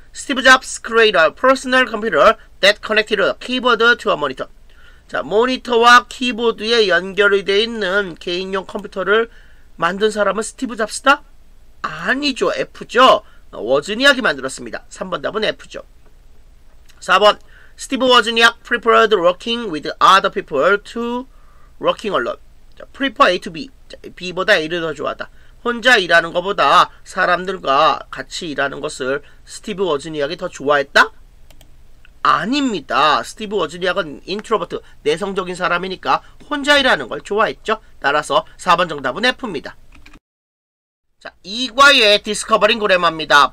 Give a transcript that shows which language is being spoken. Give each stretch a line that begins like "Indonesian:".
English: Steve Jobs created a personal computer that connected a keyboard to a monitor.
Korean: 자, 모니터와 키보드에 연결이 되어 있는 개인용 컴퓨터를 만든 사람은 스티브 잡스다? 아니죠. F죠. 워즈니악이 만들었습니다. 3번 답은 F죠.
English: 4번 스티브 워즈니악 preferred working with other people to working alone. 자, prefer A to B.
Korean: 자, B보다 A를 더 좋아하다. 혼자 일하는 것보다 사람들과 같이 일하는 것을 스티브 워즈니악이 더 좋아했다? 아닙니다. 스티브 워즈니악은 인트로버트, 내성적인 사람이니까 혼자 일하는 걸 좋아했죠. 따라서 4번 정답은 F입니다. 자, 이과의 디스커버링 그래마입니다.